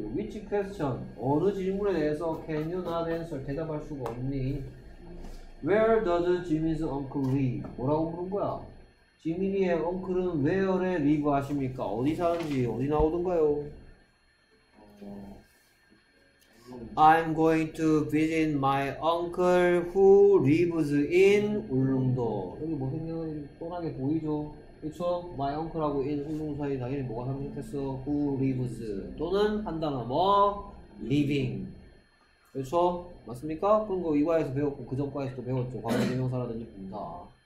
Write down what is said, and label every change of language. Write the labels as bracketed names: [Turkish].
[English] Which question? [Korean] 어느 질문에 대해서 [English] can you not answer? [Korean] 대답할 수가 없니? [English] Where does Jimmy's uncle live? [Korean] 뭐라고 물은 거야? 지민이의 uncle은 where에 live 하십니까? 어디 사는지 어디 나오던가요? [English] I'm going to visit my uncle who lives in 울릉도. [Korean] 여기 뭐 생각이 뻔하게 보이죠? 그쵸? My uncle하고 in 울릉도 사이 당연히 뭐가 생각했어? Who lives 또는 한 단어 뭐? Living. 그쵸? 맞습니까? 그런 거 이 과에서 배웠고 그전 과에서도 배웠죠. 과거 대명사라든지 분사.